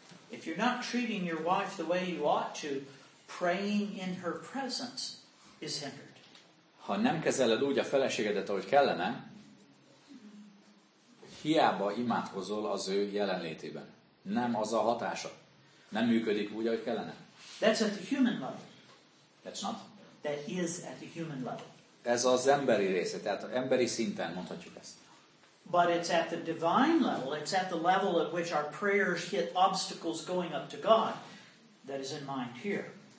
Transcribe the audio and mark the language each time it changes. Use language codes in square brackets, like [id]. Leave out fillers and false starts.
[en] If you're not treating your wife the way you ought to, praying in her presence is hindered. [hu] Ha nem kezeled úgy a feleségedet, ahogy kellene, hiába imádkozol az ő jelenlétében. Nem az a hatása. Nem működik úgy, ahogy kellene. [en] That's at the human level. That's not. That is at the human level. [hu] Ez az emberi része, tehát emberi szinten mondhatjuk ezt. [en] But it's at the divine level, it's at the level at which our prayers hit obstacles going up to God, that is in mind here.